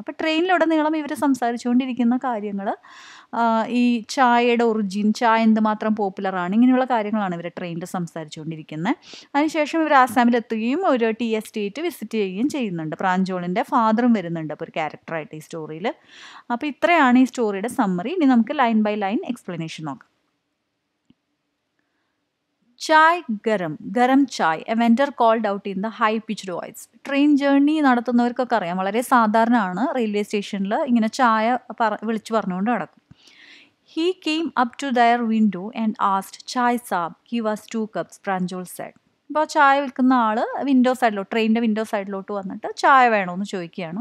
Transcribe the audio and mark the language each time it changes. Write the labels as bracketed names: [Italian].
[Malayalam] അപ്പോൾ ട്രെയിനിലുടനീളം ഇവർ സംസാരിച്ചുകൊണ്ടിരിക്കുന്ന കാര്യങ്ങൾ, ഈ ചായയുടെ ഒറിജിൻ, ചായ എന്തുമാത്രം പോപ്പുലറാണ്, ഇങ്ങനെയുള്ള കാര്യങ്ങളാണ് ഇവർ ട്രെയിനിൽ സംസാരിച്ചുകൊണ്ടിരിക്കുന്നത്. അതിനുശേഷം ഇവർ ആസാമിലെത്തുകയും ഒരു ടി എസ്റ്റേറ്റ് വിസിറ്റ് ചെയ്യുകയും ചെയ്യുന്നുണ്ട്. പ്രാഞ്ചോളിൻ്റെ ഫാദറും വരുന്നുണ്ട് അപ്പോൾ ഒരു ക്യാരക്ടറായിട്ട് ഈ സ്റ്റോറിയിൽ. അപ്പോൾ ഇത്രയാണ് ഈ സ്റ്റോറിയുടെ സമ്മറി. ഇനി നമുക്ക് ലൈൻ ബൈ ലൈൻ എക്സ്പ്ലനേഷൻ നോക്കാം. [English] Chai garam, garam chai, a vendor called out in the high-pitched voice. [Malayalam] Train journey നടത്തുന്നവർക്കൊക്കെ അറിയാം, വളരെ സാധാരണമാണ് റെയിൽവേ സ്റ്റേഷനിൽ ഇങ്ങനെ ചായ വിളിച്ചു പറഞ്ഞുകൊണ്ട് നടക്കും. [English] He came up to their window and asked chai sahib give us two cups, പ്രാഞ്ചോൾ side. [Malayalam] ഇപ്പോൾ ചായ വിൽക്കുന്ന ആൾ വിൻഡോ സൈഡിലോട്ട്, ട്രെയിനിൻ്റെ വിൻഡോ സൈഡിലോട്ട് വന്നിട്ട് ചായ വേണമെന്ന് ചോദിക്കുകയാണ്.